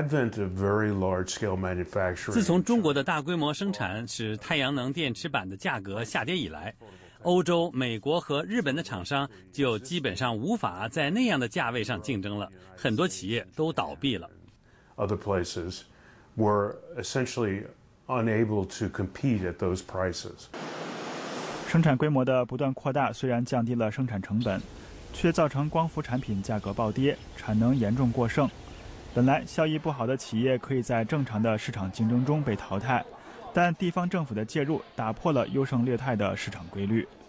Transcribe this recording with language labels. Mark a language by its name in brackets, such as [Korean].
[Chinese] 自从中国的大规模生产使太阳能电池板的价格下跌以来，欧洲、美国和日本的厂商就基本上无法在那样的价位上竞争了，很多企业都倒闭了。 [English] Other places were essentially unable to compete at those prices. [Chinese] 生产规模的不断扩大虽然降低了生产成本，却造成光伏产品价格暴跌，产能严重过剩。本来效益不好的企业可以在正常的市场竞争中被淘汰，但地方政府的介入打破了优胜劣汰的市场规律。